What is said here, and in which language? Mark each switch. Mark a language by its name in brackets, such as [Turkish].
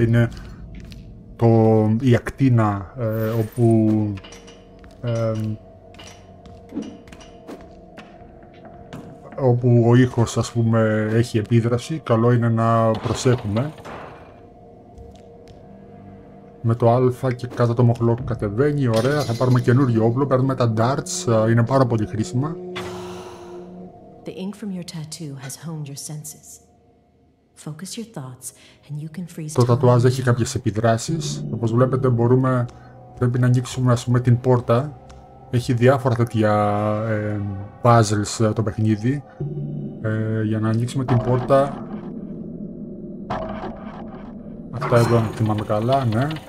[Greek] Είναι η ακτίνα όπου όπου ο ήχος ας πούμε έχει επίδραση. Καλό είναι να προσέχουμε. Με το α και κάτω το μοχλό κατεβαίνει, ωραία. Θα πάρουμε καινούριο όπλο, παίρνουμε τα darts, είναι πάρα πολύ χρήσιμα. [English] The ink from your tattoo has honed your senses. Focus your thoughts and you can freeze. [Greek] Το τατουάζ έχει κάποιες επιδράσεις. Όπως βλέπετε μπορούμε, πρέπει να ανοίξουμε ας πούμε την πόρτα. Έχει διάφορα τέτοια puzzles το παιχνίδι. Για να ανοίξουμε την πόρτα. Αυτά εδώ αν θυμάμαι καλά, ναι.